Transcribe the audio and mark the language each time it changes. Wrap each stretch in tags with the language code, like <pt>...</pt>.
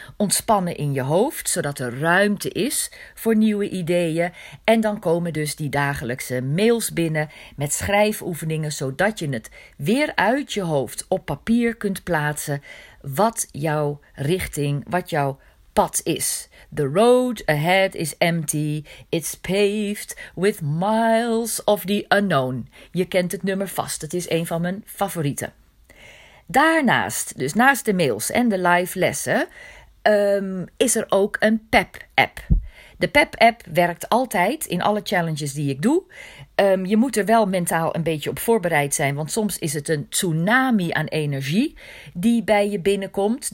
<nl>Ontspannen in je hoofd, zodat er ruimte is voor nieuwe ideeën. En dan komen dus die dagelijkse mails binnen met schrijfoefeningen, zodat je het weer uit je hoofd op papier kunt plaatsen wat jouw richting, wat jouw pad is.</nl> <en>The road ahead is empty. It's paved with miles of the unknown.</en> <nl>Je kent het nummer vast. Het is een van mijn favorieten. Daarnaast, dus naast de mails en de live lessen, is er ook een PEP-app. De PEP-app werkt altijd in alle challenges die ik doe. Je moet er wel mentaal een beetje op voorbereid zijn, want soms is het een tsunami aan energie die bij je binnenkomt.</nl>